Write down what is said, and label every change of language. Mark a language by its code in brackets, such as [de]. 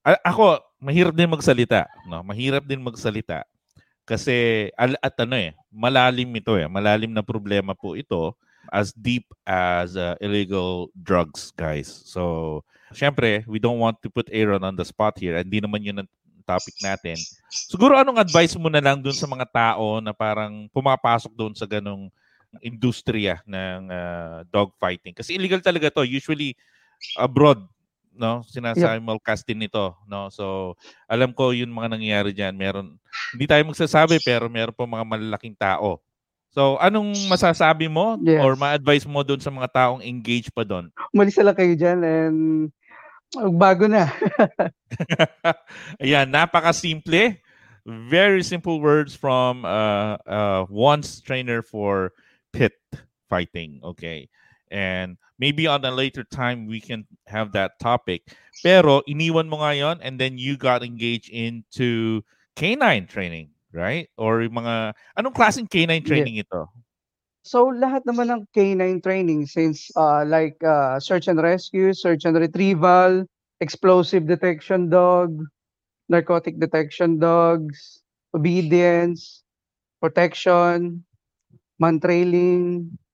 [tl] Ako mahirap din magsalita, no? Mahirap din magsalita. Kasi malalim ito eh. Malalim na problema po ito, [en] as deep as illegal drugs, guys. So, syempre, we don't want to put Aeron on the spot here. [tl] Hindi naman 'yun ang topic natin. Siguro anong advice mo na lang doon sa mga tao na parang pumapasok doon sa ganung industriya ng dog fighting, kasi illegal talaga to usually abroad, no? Simulcasting nito, no? So alam ko yun mga nangyayari diyan, meron, hindi tayo magsasabi, pero meron po mga malalaking tao. So anong masasabi mo or ma-advise mo doon sa mga taong engaged pa doon? Umalis lang kayo diyan and bago na. Ayan, napakasimple. [en] Very simple words from once trainer for pit fighting, okay? And maybe on a later time we can have that topic. [tl] Pero iniwan mo nga yon, [en] and then you got engaged into canine training, right? [tl] Or mga anong klaseng canine training ito? So lahat naman ng [en] canine training, since search and rescue, search and retrieval, explosive detection dog, narcotic detection dogs, obedience, protection, man trailing.